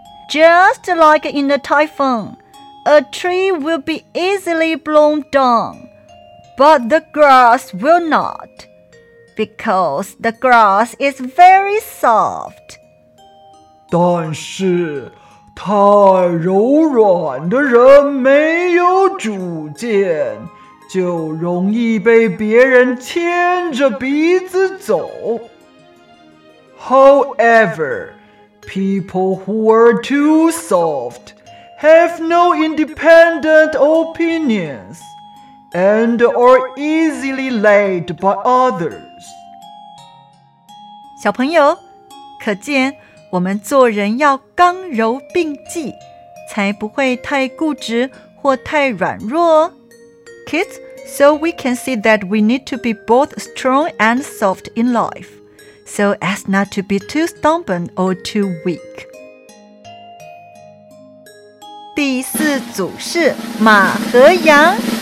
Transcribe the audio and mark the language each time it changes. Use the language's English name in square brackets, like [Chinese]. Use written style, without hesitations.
[English] Just like in a typhoon, a tree will be easily blown down, but the grass will not, because the grass is very soft. [Chinese] 但是太柔软的人没有主见，就容易被别人牵着鼻子走。 [English] However, people who are too soft have no independent opinions and are easily led by others. [Chinese] 小朋友，可见我们做人要刚柔并济，才不会太固执或太软弱。 [English] Kids, so we can see that we need to be both strong and soft in life, so as not to be too stubborn or too weak. [Chinese] 第四组是马和羊。